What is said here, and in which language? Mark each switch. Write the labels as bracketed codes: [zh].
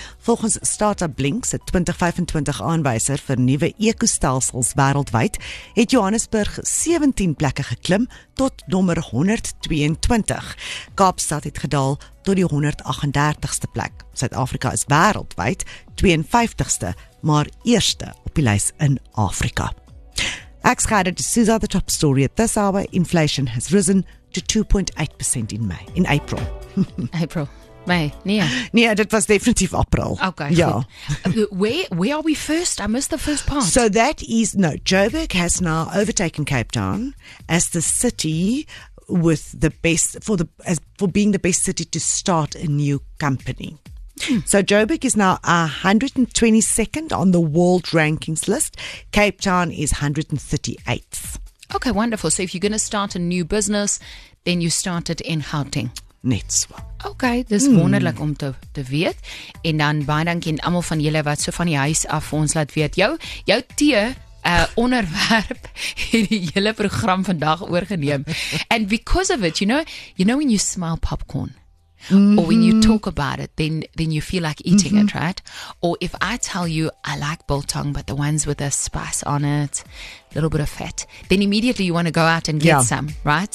[af] Volgens Startup Blink se 2025 aanwyser vir nuwe ekostelsels wêreldwyd, het Johannesburg 17 plekke geklim tot nommer 122. Kaapstad het gedaal tot die 138ste plek. Suid-Afrika is wêreldwyd 52ste, maar eerste op die lys in Afrika. Ek skryf dit soos die [en] top story at this hour. Inflation has risen to 2.8% in May. In April. April. May. Nee. [af] Nee, dit was definitief April. [en] Okay. [af] Ja. [en] Where are we first? I missed the first part. So that is, no, Joburg has now overtaken Cape Town as the city with the best, for being the best city to start a new company. So Joburg is now 122nd on the world rankings list. Cape Town is 138th. Okay, wonderful. So if you're going to start a new business, then you start it in Gauteng. [af] Net so. Okay, dis wonderlik om te weet. En dan baie dankie aan almal van julle wat so van die huis af ons laat weet. Jou tee onderwerp het die hele program vandag oorgeneem. [en] And because of it, you know when you smell popcorn? Mm-hmm. Or when you talk about it, then you feel like eating mm-hmm. it, right? Or if I tell you I like biltong, but the ones with the spice on it, a little bit of fat, then immediately you want to go out and get some, right?